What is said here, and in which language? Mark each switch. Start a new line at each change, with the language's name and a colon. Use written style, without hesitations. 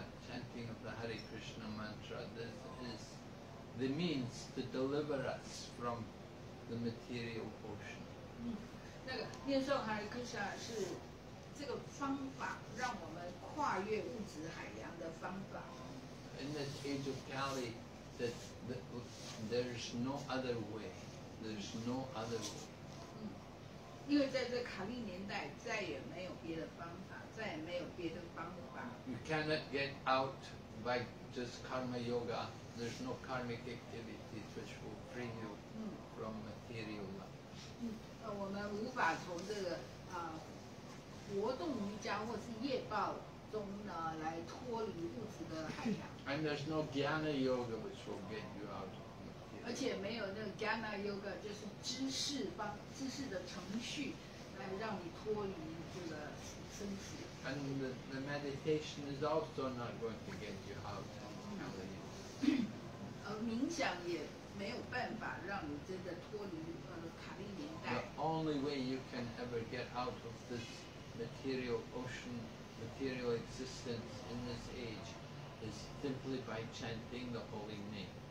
English: Chanting of the Hare Krishna mantra, this is the means to deliver us from the material portion.
Chinese: 那个念诵Hare Krishna是
English: In this age of Kali, there's no other way. There's no other way.
Chinese: 因为在这卡利年代，再也没有别的方法，再也没有别的方法。
English: You cannot get out by just karma yoga. There's no karmic activities which will bring you from material life.
Chinese: 我们无法从这个 活动瑜伽或是业报中呢，来脱离物质的海洋。
English: And there's no Jnana Yoga which will get you out of the
Chinese: field. 而且没有那个 Jnana Yoga 就是知识方知识的程序来让你脱离这个生死。
English: And the meditation is also not going to get you out of the field.
Chinese: 冥想也没有办法让你真的脱离卡利年代。
English: The only way you can ever get out of this material ocean, material existence in this age is simply by chanting the holy name.